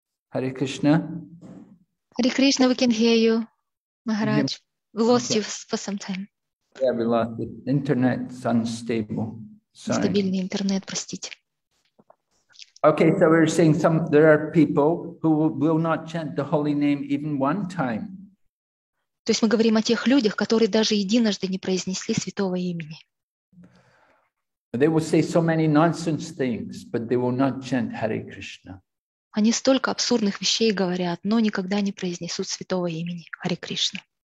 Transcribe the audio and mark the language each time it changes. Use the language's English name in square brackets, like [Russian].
[English] Hare Krishna. Hare Krishna, we can hear you, Maharaj. We lost you for some time. Yeah, we lost the internet. It's unstable. Sorry. [Russian] Стабильный интернет, простите. [English] Okay, so we're saying there are people who will not chant the holy name even one time. [Russian] То есть мы говорим о тех людях, которые даже единожды не произнесли святого имени. [English] They will say so many nonsense things, but they will not chant Hare Krishna. [Russian] Они столько абсурдных вещей говорят, но никогда не произнесут святого имени Hare Krishna.